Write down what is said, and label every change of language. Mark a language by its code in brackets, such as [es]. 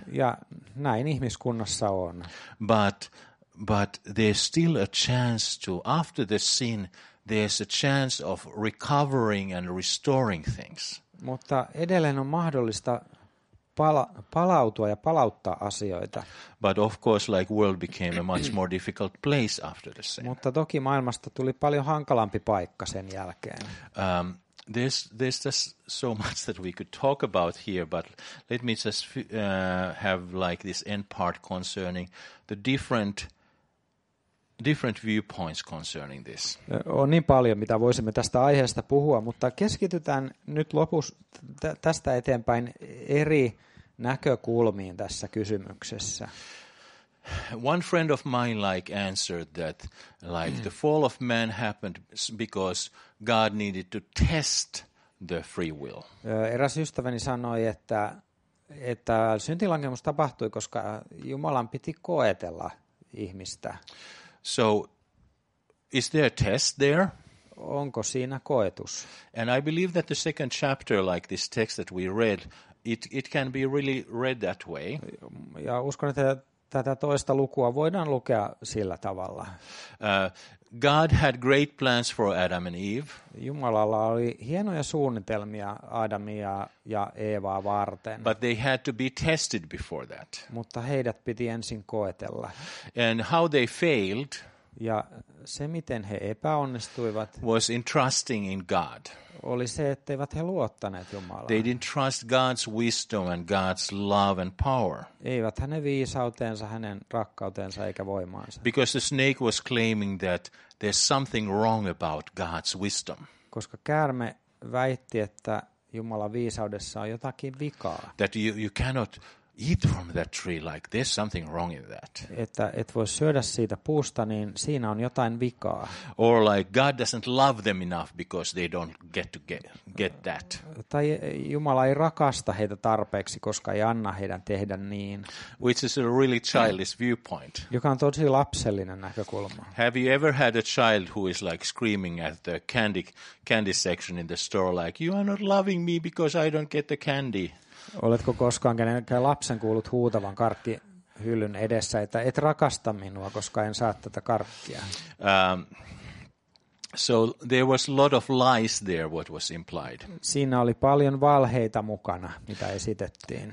[fi] Ja näin ihmiskunnassa on. [en] But there's still a chance to, after the sin, there's a chance of recovering and restoring things. [fi] Mutta edelleen on mahdollista palautua ja palauttaa asioita. [en] But of course, like world became a much more difficult place after the sin. [fi] Mutta toki maailmasta tuli paljon hankalampi paikka sen jälkeen. [en] There's just so much that we could talk about here, but let me just have like this end part concerning the different viewpoints concerning this. [fi] On niin paljon, mitä voisimme tästä aiheesta puhua, mutta keskitytään nyt lopussa tästä eteenpäin eri näkökulmiin tässä kysymyksessä. [en] One friend of mine like answered that like the fall of man happened because God needed to test the free will. [fi] Eräs ystäväni sanoi, että syntilankemus tapahtui, koska Jumalan piti koetella ihmistä. [en] So is there a test there? [fi] Onko siinä koetus? [en] And I believe that the second chapter like this text that we read it can be really read that way. [fi] Ja uskon, että tätä toista lukua voidaan lukea sillä tavalla. [en] God had great plans for Adam and Eve. [fi] Jumalalla oli hienoja suunnitelmia Adamia ja Eevaa varten. [en] But they had to be tested before that. [fi] Mutta heidät piti ensin koetella. [en] And how they failed. [fi] Ja se miten he epäonnistuivat. [en] Was in trusting in God. [fi] Oli se, etteivät he luottaneet Jumalaan. [en] They didn't trust God's wisdom and God's love and power. [fi] Eivät hänen viisautensa, hänen rakkautensa eikä voimaansa. [en] Because the snake was claiming that there's something wrong about God's wisdom. [fi] Koska käärme väitti, että Jumalan viisaudessa on jotakin vikaa. [en] That you cannot eat from that tree, like there's something wrong in that. [fi] Että et voi syödä siitä puusta, niin siinä on jotain vikaa. [en] Or like God doesn't love them enough because they don't get that. [fi] Tai Jumala ei rakasta heitä tarpeeksi, koska ei anna heidän tehdä niin. [en] Which is a really childish viewpoint. [fi] Joka on tosi lapsellinen näkökulma. [en] Have you ever had a child who is like screaming at the candy section in the store like, you are not loving me because I don't get the candy? [fi] Oletko koskaan kenenkään lapsen kuullut huutavan karkkihyllyn edessä, että et rakasta minua, koska en saa tätä karkkia? [en] So there was a lot of lies there, what was implied. [fi] Siinä oli paljon valheita mukana, mitä esitettiin.